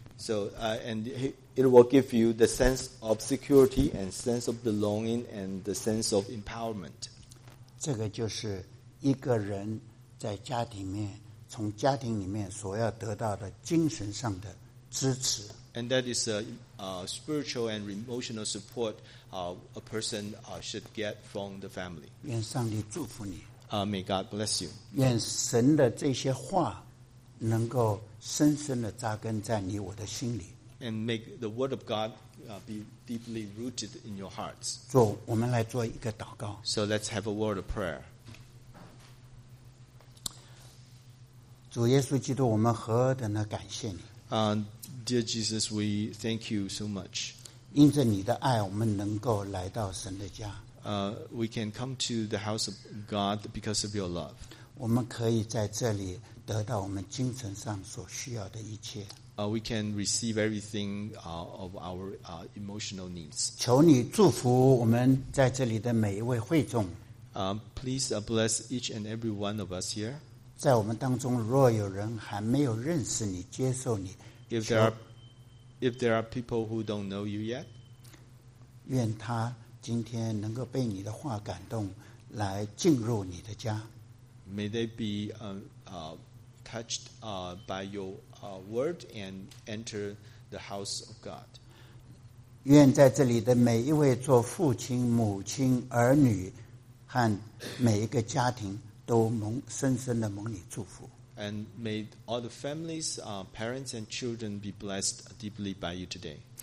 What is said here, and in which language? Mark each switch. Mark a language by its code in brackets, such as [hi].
[en] So, and it will give you the sense of security and sense of belonging and the sense of empowerment. [zh] 这个就是一个人在家庭面，从家庭里面所要得到的精神上的支持。 [en] And that is a spiritual and emotional support a person should get from the family. [zh] 愿上帝祝福你。 [en] May God bless you. [zh] 愿神的这些话能够深深地扎根在你我的心里。 [en] And make the word of God be deeply rooted in your hearts. [zh] 做，我们来做一个祷告。 [en] So let's have a word of prayer. [zh] 主耶稣基督，我们何等的感谢你。 [en] Dear Jesus, we thank you so much. [zh] 因着你的爱，我们能够来到神的家。 [en] We can come to the house of God because of your love. [zh] 我们可以在这里得到我们精神上所需要的一切。 [en] We can receive everything of our emotional needs. [zh] 求你祝福我们在这里的每一位会众。 [en] Please bless each and every one of us here. [zh] 在我们当中，若有人还没有认识你，接受你。 [en] If there are people who don't know you yet, [zh] 愿他今天能够被你的话感动，来进入你的家。 [en] May they be touched by your word and enter the house of God. [zh] 愿在这里的每一位做父亲、母亲、儿女和每一个家庭都蒙深深的蒙你祝福。 [en] And may all the families, parents, and children be blessed deeply by you today.